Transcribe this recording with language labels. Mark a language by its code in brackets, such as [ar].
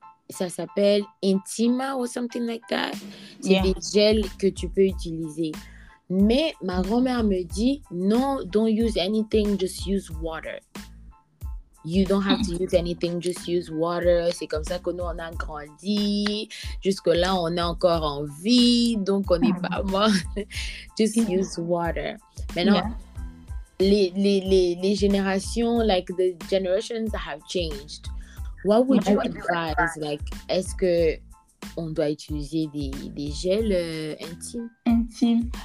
[fr] ça s'appelle Intima ou [en] something like that. [fr] C'est des gels que tu peux utiliser. Mais ma grand-mère me dit, non, [en] don't use anything, just use water. You don't have to use anything, just use water. [fr] C'est comme ça que nous, on a grandi. Jusque-là, on est encore en vie, donc on n'est pas mort. [en] Just use water. [fr] Maintenant, [en] les générations, like the generations have changed. What would you advise? Like, [fr] est-ce que on doit utiliser des gels intimes?